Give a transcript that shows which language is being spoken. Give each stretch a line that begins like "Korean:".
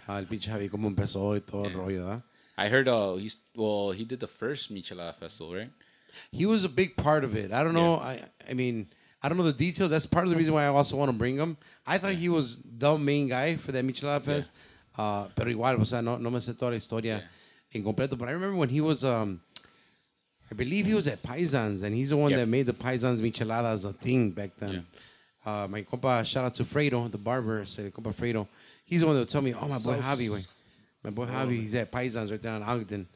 Spanish: El pinche Javi, cómo empezó y todo el rollo, ¿eh?
English: I heard he did the first michelada festival, right? He was a big part of it. I don't know. I don't know the details. That's part of the reason why I also want to bring him. I thought he was the main guy for that Michelada Fest. Yeah.
Spanish: Pero igual, o sea, no me sé toda la historia en completo.
English: But I remember when he was, I believe he was at Paisans, and he's the one that made the Paisans Micheladas a thing back then. Yeah. My compa, shout out to Fredo, the barber, said, compa Fredo. He's the one that would tell me, my boy Javi, he's at Paisans right down in Ogden.